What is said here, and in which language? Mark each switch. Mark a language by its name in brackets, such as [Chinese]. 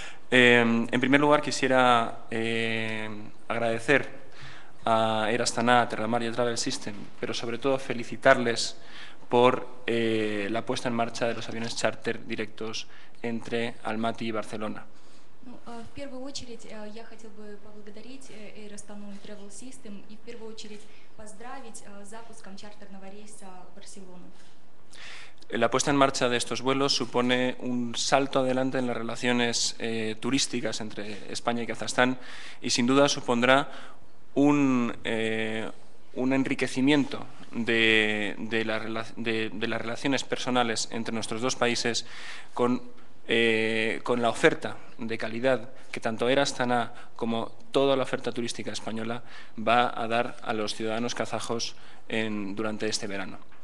[Spanish] En primer lugar quisiera agradecer a Air Astana, a Terramar y a Travel System, pero sobre todo felicitarles por la puesta en marcha de los aviones charter directos entre Almaty y Barcelona. [Russian] В первую очередь я хотел бы поблагодарить Air Astana и Travel System и в первую очередь поздравить с запуском чартерного рейса в Барселону. [Spanish] La puesta en marcha de estos vuelos supone un salto adelante en las relaciones turísticas entre España y Kazajstán y sin duda supondrá un enriquecimiento de las relaciones personales entre nuestros dos países con la oferta de calidad que tanto Air Astana como toda la oferta turística española va a dar a los ciudadanos kazajos durante este verano.